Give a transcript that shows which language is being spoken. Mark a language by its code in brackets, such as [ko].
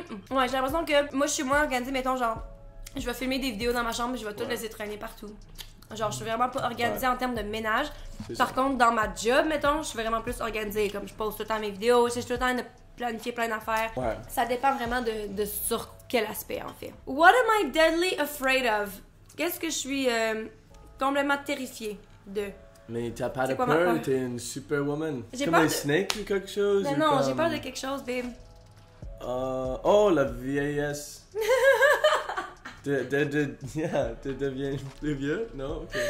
[fr] Ouais, j'ai l'impression que moi, je suis moins organisée. Mettons, genre, je vais filmer des vidéos dans ma chambre et je vais tout laisser traîner partout. Genre, je suis vraiment pas organisée en termes de ménage. Par contre, dans ma job, mettons, je suis vraiment plus organisée. Comme je pose tout le temps mes vidéos, j'essaie tout le temps de planifier plein d'affaires. Ouais. Ça dépend vraiment de sur quoi. Quel aspect en fait? [en] What am I deadly afraid of? [fr] Qu'est-ce que je suis complètement terrifiée de? Mais t'as pas de peur ou t'es une superwoman? J'ai comme peur un snake ou quelque chose? Mais non, comme... j'ai peur de quelque chose, babe. Oh, la vieillesse. Tu deviens plus vieux? Non?